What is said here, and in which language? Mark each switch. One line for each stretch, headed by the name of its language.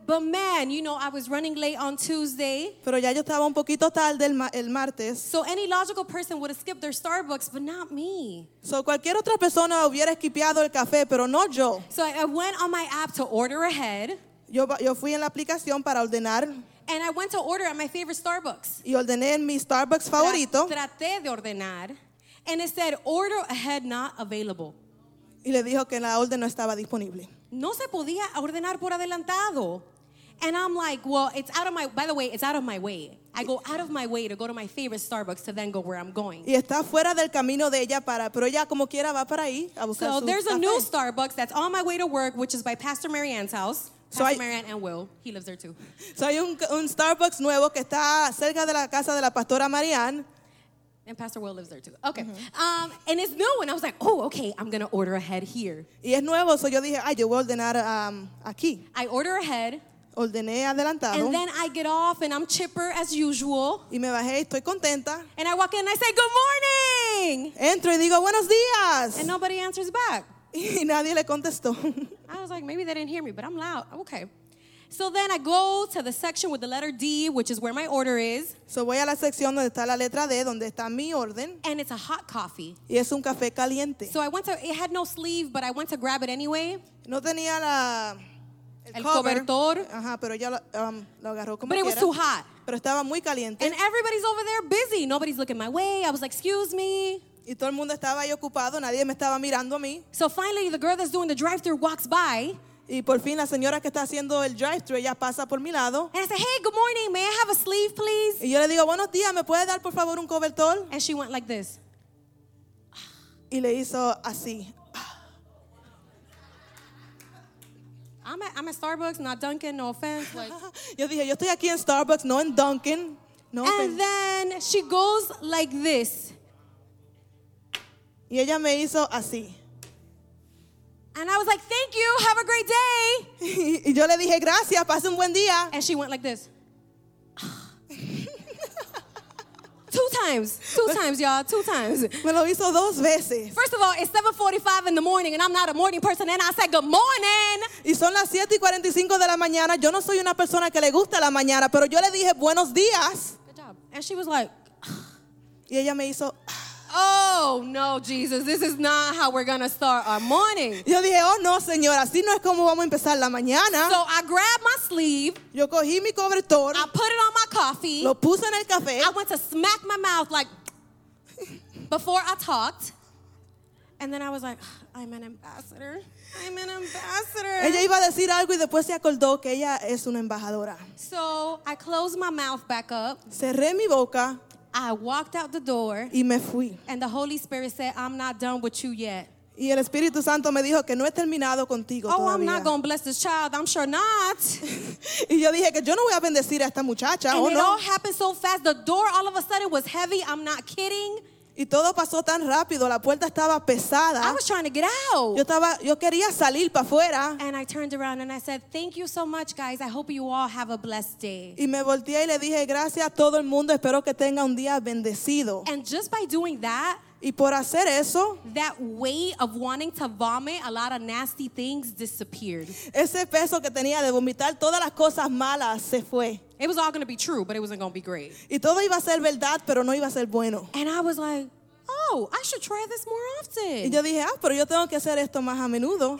English: But man, you know, I was running late on Tuesday.
Spanish: Pero ya yo estaba un poquito tarde el martes.
English: So any logical person would have skipped their Starbucks, but not me.
Spanish: So cualquier otra persona hubiera skipeado el café, pero no yo.
English: So I went on my app to order ahead.
Spanish: Yo fui en la aplicación para ordenar.
English: And I went to order at my favorite Starbucks.
Spanish: Y ordené en mi Starbucks favorito. Traté de ordenar.
English: And it said, order ahead not available.
Spanish: Y le dijo que la orden no estaba disponible. No se podía ordenar por adelantado.
English: And I'm like, well, it's out of my, by the way, it's out of my way. I go out of my way to go to my favorite Starbucks to then go where I'm going.
Spanish: Y está fuera del camino de ella para, pero ella como quiera va para ahí a buscar café.
English: So there's a new Starbucks that's on my way to work, which is by Pastor Marianne's house. Pastor Marianne and Will, he lives there too.
Spanish: So hay un Starbucks nuevo que está cerca de la casa de la pastora Marianne.
English: And Pastor Will lives there too. Okay. Mm-hmm. And it's new and I was like, oh, okay, I'm going to order ahead here.
Spanish: Y es nuevo, so yo dije, ay, yo voy a ordenar aquí.
English: I order ahead.
Spanish: Ordené adelantado.
English: And then I get off and I'm chipper as usual.
Spanish: Y me bajé, estoy contenta.
English: And I walk in and I say, good morning.
Spanish: Entro y digo, buenos días.
English: And nobody answers back.
Spanish: Y nadie le contestó.
English: I was like, maybe they didn't hear me, but I'm loud. Okay. So then I go to the section with the letter D, which is where my order is.
Spanish: So voy a la sección donde está la letra D, donde está mi orden.
English: And it's a hot coffee.
Spanish: Y es un café caliente.
English: So I went to, it had no sleeve, but I went to grab it anyway.
Spanish: No tenía la, el cobertor. Ajá, pero ya lo agarró como
English: but
Spanish: quiera.
English: But it was too hot.
Spanish: Pero estaba muy caliente.
English: And everybody's over there busy. Nobody's looking my way. I was like, excuse me.
Spanish: Y todo el mundo estaba ahí ocupado, nadie me estaba mirando a mí.
English: So finally the girl that's doing the drive-thru walks by.
Spanish: Y por fin la señora que está haciendo el drive-thru, ella pasa por mi lado.
English: And I said, hey, good morning, may I have a sleeve, please?
Spanish: Y yo le digo, buenos días, ¿me puede dar por favor un cobertor?
English: And she went like this.
Spanish: Y le hizo así.
English: I'm at Starbucks, not Dunkin', no offense. Like.
Spanish: Yo dije, yo estoy aquí en Starbucks, no en Dunkin'.
English: No and offense. Then she goes like this.
Spanish: Y ella me hizo así.
English: And I was like, thank you, have a great day.
Spanish: Y yo le dije, gracias, pase un buen día.
English: And she went like this. Two times, y'all.
Spanish: Me lo hizo dos veces.
English: First of all, it's 7:45 in the morning, and I'm not a morning person, and I said, good morning.
Spanish: Y son las 7:45 de la mañana. Yo no soy una persona que le gusta la mañana, pero yo le dije, buenos días.
English: Good job. And she was like.
Spanish: Y ella me hizo.
English: Oh, no, Jesus, this is not how we're going to start our morning.
Spanish: Yo dije, oh, no, señora, así no es como vamos a empezar la mañana.
English: So I grabbed my sleeve.
Spanish: Yo cogí mi cobertor.
English: I put it on my coffee.
Spanish: Lo puse en el café.
English: I went to smack my mouth like. before I talked. And then I was like, I'm an ambassador. I'm an ambassador.
Spanish: Ella iba a decir algo y después se acordó que ella es una embajadora.
English: So I closed my mouth back up.
Spanish: Cerré mi boca.
English: I walked out the door.
Spanish: Y me fui.
English: And the Holy Spirit said, I'm not done with you yet.
Spanish: Y el Espíritu Santo me dijo que no he terminado contigo oh, todavía.
English: I'm not going to bless this child. I'm sure not.
Spanish: Y yo dije que yo no voy a bendecir a esta muchacha.
English: And oh, it no. All happened so fast. The door all of a sudden was heavy. I'm not kidding.
Spanish: Y todo pasó tan rápido. La puerta estaba pesada.
English: I was trying to get out.
Spanish: Yo quería salir para afuera.
English: And I turned around and I said, thank you so much, guys. I hope you all have a blessed day.
Spanish: Y me volteé y le dije, gracias a todo el mundo. Espero que tenga un día bendecido.
English: And just by doing that,
Spanish: y por hacer eso,
English: that weight of wanting to vomit a lot of nasty things disappeared.
Spanish: Ese peso que tenía de vomitar todas las cosas malas se fue.
English: It was all going to be true, but it wasn't going to be great.
Spanish: Y todo iba a ser verdad, pero no iba a ser bueno.
English: And I was like, oh, I should try this more often.
Spanish: Y yo dije, ah, pero yo tengo que hacer esto más a menudo.